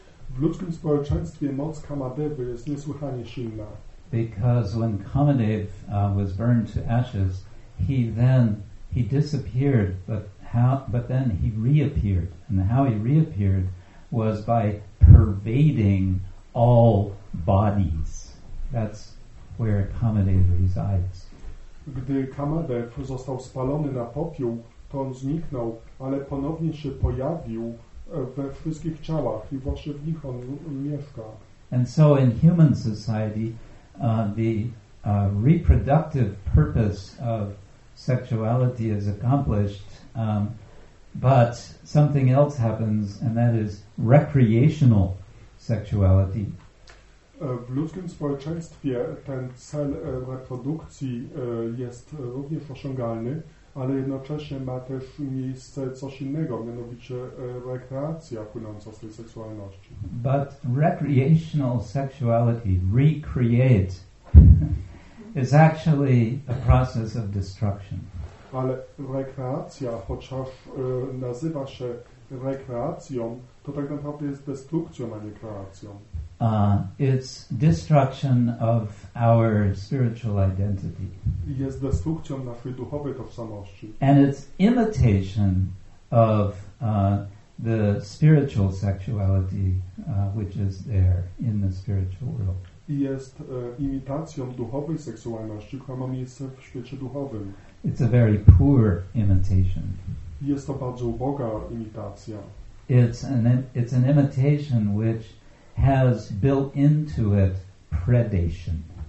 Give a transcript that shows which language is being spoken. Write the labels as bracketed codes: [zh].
[pl] W ludzkim społeczeństwie moc Kamadewy jest niesłychanie silna. [en] Because when Kamadev was burned to ashes, he disappeared, but then he reappeared, and how he reappeared was by pervading all bodies. That's where Kamadev resides. [pl] Gdy Kamadev został spalony na popiół, to on zniknął, ale ponownie się pojawił we wszystkich ciałach i właśnie w nich on mieszka. [en] And so in human society, the reproductive purpose of sexuality is accomplished, but something else happens, and that is recreational sexuality. [pl] W ludzkim społeczeństwie ten cel reprodukcji jest również osiągalny, ale jednocześnie ma też miejsce coś innego, mianowicie rekreacja płynąca z tej seksualności. [en] But recreational sexuality, recreate, is actually a process of destruction. [pl] Ale rekreacja, chociaż nazywa się rekreacją, to tak naprawdę jest destrukcją, a nie kreacją. [en] It's destruction of our spiritual identity. [pl] Jest destrukcją naszej duchowej tożsamości. [en] And it's imitation of the spiritual sexuality, which is there in the spiritual world. [pl] Jest imitacją duchowej seksualności, która ma miejsce w świecie duchowym. [en] It's a very poor imitation. [pl] Jest to bardzo uboga imitacja. [en] It's an imitation which has built into it predation.